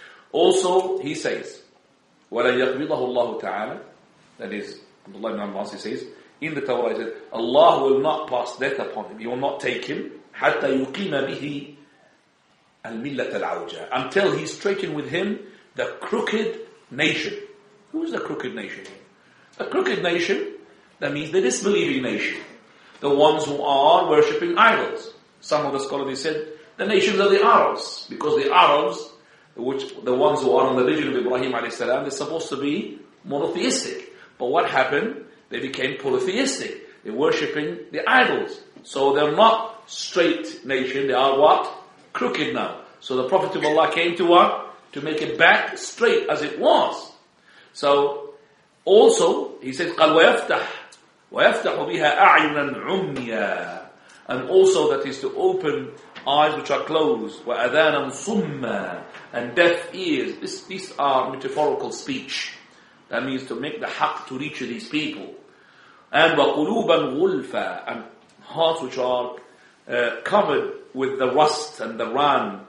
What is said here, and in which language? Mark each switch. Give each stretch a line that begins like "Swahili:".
English: Also, he says,
Arabic: وَلَنْ يَقْبِضَهُ اللَّهُ تَعَالَى.
English: That is, Abdullah ibn Abbas, he says, in the Torah, he says, Allah will not pass death upon him. He will not take him.
Arabic: حَتَّى يُقِيمَ بِهِ الْمِلَّةَ الْعَوْجَى.
English: Until he straighten with him the crooked nation. Who is the crooked nation? A crooked nation, that means the disbelieving nation. The ones who are worshipping idols. Some of the scholars, they said, the nations of the Arabs. Because the Arabs, which the ones who are on the religion of Ibrahim alayhi salam, they're supposed to be monotheistic. But what happened? They became polytheistic. They're worshipping the idols. So they're not straight nation. They are what? Crooked now. So the Prophet of Allah came to what? To make it back straight as it was. So also he says,
Arabic: قَلْ وَيَفْتَحُ بِهَا أَعْيُنًا عُمْيًا.
English: And also that is to open eyes which are closed,
Arabic: وَأَذَانًا صُمًّا,
English: and deaf ears. These are metaphorical speech. That means to make the haq to reach these people. And
Arabic: وَقُلُوبًا غُلْفًا,
English: and hearts which are covered with the rust and the ran.